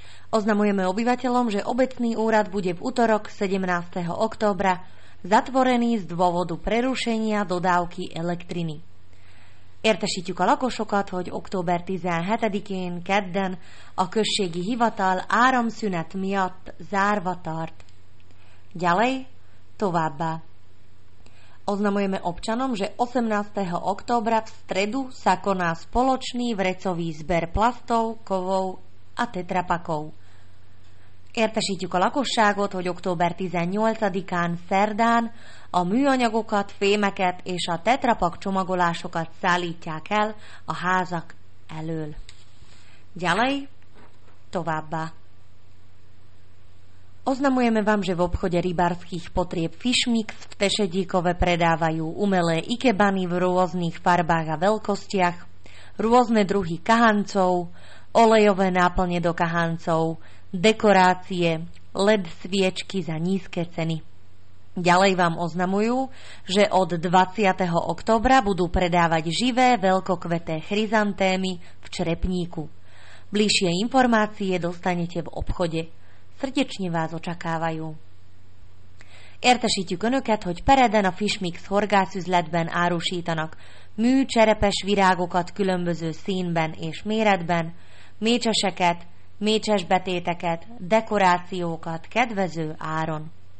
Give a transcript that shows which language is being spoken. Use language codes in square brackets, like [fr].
[sk] Oznamujeme obyvateľom, že obecný úrad bude v utorok 17. októbra zatvorený z dôvodu prerušenia dodávky elektriny. [hu] Értesítjük a lakosokat, hogy október 17-én kedden a községi hivatal áramszünet miatt zárva tart. [sk] Ďalej, [hu] továbbá. [sk] Oznamujeme občanom, že 18. októbra v stredu sa koná spoločný vrecový zber plastov, kovov a tetrapakov. [hu] Értesítjük a lakosságot, hogy október 18-án szerdán a műanyagokat, fémeket és a tetrapak csomagolásokat szállítják el a házak elől. [sk] Ďalej, [hu] továbbá. [sk] Oznamujeme vám, že v obchode rybárskych potrieb Fishmix v Tešedíkove predávajú umelé ikebany v rôznych farbách a veľkostiach, rôzne druhy kahancov, olejové náplne do kahancov, dekorácie, LED sviečky za nízke ceny. Ďalej vám oznamujú, že od 20. októbra budú predávať živé veľkokveté chryzantémy v črepníku. Bližšie informácie dostanete v obchode. Srdečne vás očakávajú. [hu] Értesítjük önöket, hogy pereden a Fishmix horgászüzletben árusítanak műcserepes virágokat különböző színben és méretben, mécseseket, mécsesbetéteket, dekorációkat kedvező áron.